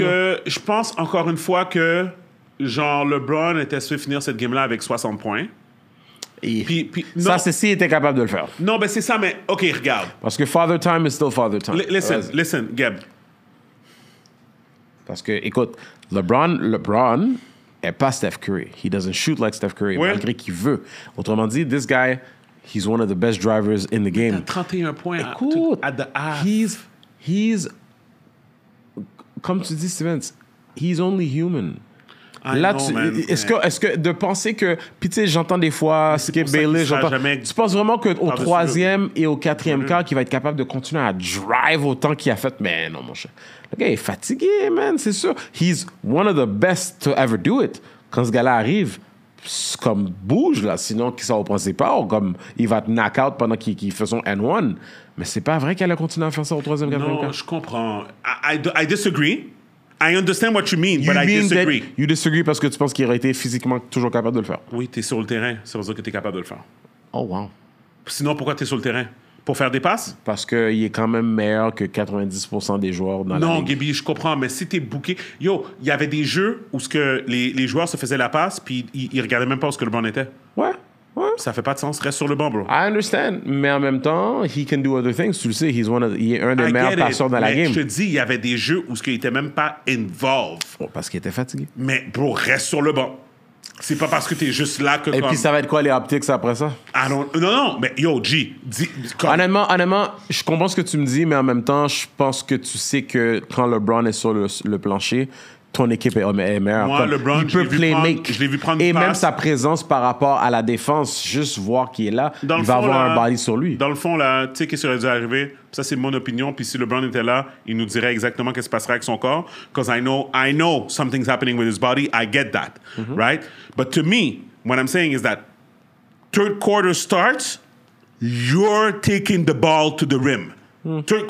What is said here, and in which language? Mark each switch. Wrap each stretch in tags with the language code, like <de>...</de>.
<fr>Non, moi, je pense encore une fois que, genre, LeBron était censé finir cette game-là avec 60 points. Et puis, non. Ça, c'est s'il était capable de le faire. Non, ben c'est ça, mais OK, regarde. Parce que</fr> <en>father time is still father time. Listen, Gab.</en> <fr>Parce que, écoute, LeBron est pas Steph Curry.</fr> <en>He doesn't shoot like Steph Curry, ouais.</en> <fr>Malgré qu'il veut. Autrement dit,</fr> <en>this guy, he's one of the best drivers in the game.</en> <fr>T'as 31 points. Écoute,</fr> <en>at the half. He's</en> <fr>comme tu dis,</fr> <en>Steven, he's only human.</en> <fr>Là, know, tu, est-ce que de penser que, puis tu sais, j'entends des fois Skip Bayless, tu penses vraiment qu'au troisième et au quatrième quart, qu'il va être capable de continuer à drive autant qu'il a fait? Mais non, mon cher. Le gars est fatigué, man, c'est sûr.</fr> <en>He's one of the best to ever do it.</en> <fr>Quand ce gars-là arrive, c'est comme bouge, là. Sinon, qui s'en repense pas, ou comme il va te knock out pendant qu'il fait son N1. Mais c'est pas vrai qu'elle a continué à faire ça au troisième, quatrième quart. Non, je comprends.</fr> <en>I disagree. I understand what you mean, you but mean I disagree.</en> <fr>You disagree parce que tu penses qu'il aurait été physiquement toujours capable de le faire. Oui, t'es sur le terrain, c'est pour ça que t'es capable de le faire. Oh, wow. Sinon, pourquoi t'es sur le terrain? Pour faire des passes? Parce qu'il est quand même meilleur que 90% des joueurs dans non, la ligue. Non, Gaby, je comprends, mais si t'es booké... Yo, il y avait des jeux où ce que les joueurs se faisaient la passe puis ils regardaient même pas où ce que le banc était. Ouais. Ouais. Ça fait pas de sens. Reste sur le banc, bro.</fr> <en>I understand.</en> <fr>Mais en même temps,</fr> <en>he can do other things.</en> <fr>Tu le sais, il est un des meilleurs passeurs dans la game. Je te dis, il y avait des jeux où il était même pas involved. Oh, parce qu'il était fatigué. Mais bro, reste sur le banc. C'est pas parce que t'es juste là que... Et comme... puis ça va être quoi les optics après ça? Non, mais yo, G. Honnêtement, je comprends ce que tu me dis, mais en même temps, je pense que tu sais que quand LeBron est sur le plancher... Ton équipe est meilleure. Moi, LeBron, il peut playmaker. Je l'ai vu prendre et passe. Même sa présence par rapport à la défense, juste voir qu'il est là, dans il va avoir un body sur lui. Dans le fond, là, tu sais, qu'est-ce qui aurait dû arriver? Ça, c'est mon opinion. Puis si LeBron était là, il nous dirait exactement ce qui se passerait avec son corps.</fr> <en>Because I know something's happening with his body. I get that. Mm-hmm. Right? But to me, what I'm saying is that third quarter starts, you're taking the ball to the rim. Mm.</en>